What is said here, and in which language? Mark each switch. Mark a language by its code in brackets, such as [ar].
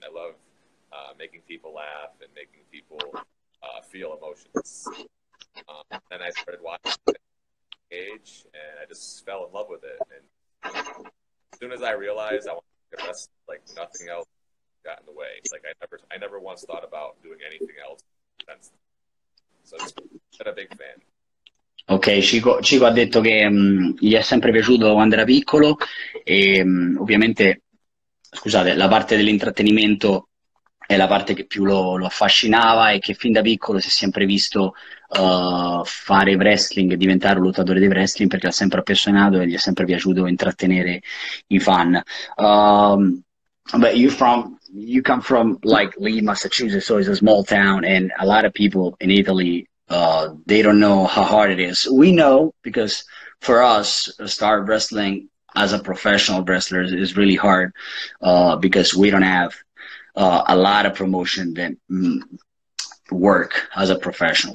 [en] I love making people laugh and making people feel emotions. Then I started watching Age, and I just fell in love with it. And as soon as I realized I wanted to rest, like, nothing else got in the way. It's like I never once thought about doing anything else. So I've been a big fan. [it] Okay, Chico ha detto che gli è sempre piaciuto quando era piccolo, e ovviamente, scusate, la parte dell'intrattenimento è la parte che più lo affascinava, e che fin da piccolo si è sempre visto fare wrestling e diventare un lottatore di wrestling, perché l'ha sempre appassionato e gli è sempre piaciuto intrattenere i fan. [en] But you come from like Lee, Massachusetts, so it's a small town, and a lot of people in Italy, they don't know how hard it is. We know, because for us, start wrestling as a professional wrestler is really hard, because we don't have a lot of promotion than work as a professional.